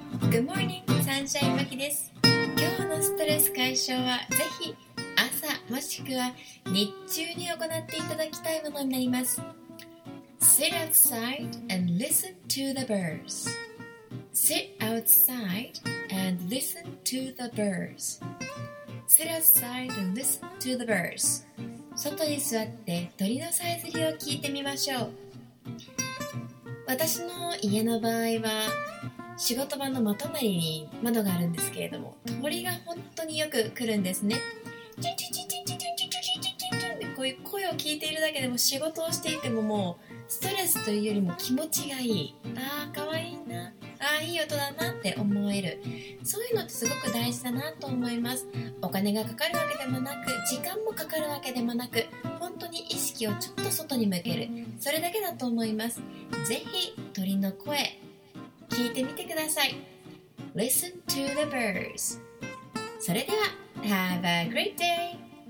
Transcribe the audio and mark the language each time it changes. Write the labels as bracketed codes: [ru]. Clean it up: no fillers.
[en] Good morning, [ja] サンシャインマキです。今日のストレス解消はぜひ朝もしくは日中に行っていただきたいものになります。 [en] Sit outside and listen to the birds. Sit outside and listen to the birds. Sit outside and listen to the birds. [ja] 外に座って鳥のさえずりを聞いてみましょう。私の家の場合は仕事場のまとまりに窓があるんですけれども、鳥が本当によく来るんですね。チュンチュンチュンチュンチュンチュンチュンチュンチュンってこういう声を聞いているだけでも仕事をしていてももうストレスというよりも気持ちがいい、ああ可愛いな、ああいい音だなって思える、そういうのってすごく大事だなと思います。お金がかかるわけでもなく時間もかかるわけでもなく、本当に意識をちょっと外に向ける、それだけだと思います。ぜひ鳥の声聞いてみてください。 [en] Listen to the birds. [ja] それでは [en] Have a great day.